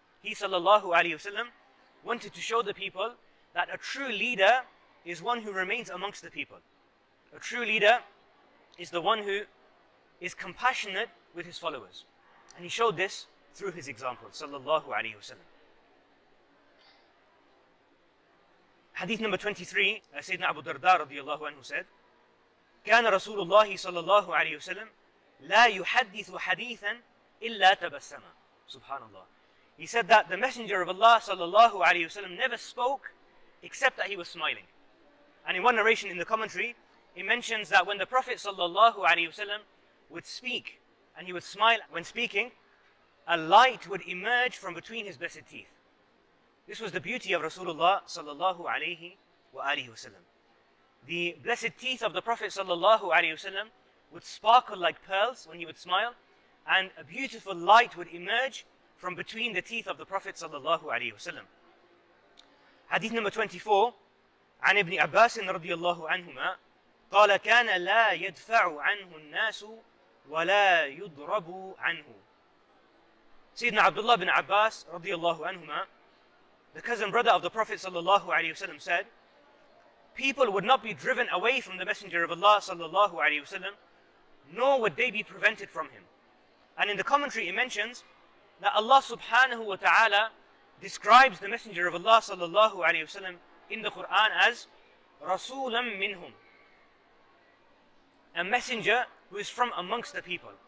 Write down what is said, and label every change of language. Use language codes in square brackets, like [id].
[en] He sallallahu alayhi wasallam wanted to show the people that a true leader is one who remains amongst the people. A true leader is the one who is compassionate with his followers. And he showed this through his example, sallallahu alayhi wasallam. Hadith number 23, Sayyidina Abu Darda radiallahu anhu said, [ar] كان رسول الله صلى الله عليه وسلم لا يحدث حديثا إلا تبسما. [en] Subhanallah. He said that the Messenger of Allah sallallahu alayhi wa sallam never spoke except that he was smiling. And in one narration in the commentary, he mentions that when the Prophet sallallahu alayhi wasallam would speak and he would smile when speaking, a light would emerge from between his blessed teeth. This was the beauty of Rasulullah sallallahu alayhi wa alihi wasallam. The blessed teeth of the Prophet sallallahu alayhi wasallam would sparkle like pearls when he would smile, and a beautiful light would emerge from between the teeth of the Prophet sallallahu alayhi wasallam. Hadith number 24, [ar] عن ابن عباس رضي الله عنهما قال كان لا يدفع عنه الناس ولا يضرب عنه. [en] Sayyidina Abdullah bin Abbas radiyallahu anhuma, the cousin brother of the Prophet sallallahu alayhi wasallam, said, people would not be driven away from the Messenger of Allah sallallahu alayhi wasallam, nor would they be prevented from him. And in the commentary it mentions that Allah subhanahu wa ta'ala describes the Messenger of Allah sallallahu alayhi wasallam in the Quran as rasulam minhum, a messenger who is from amongst the people.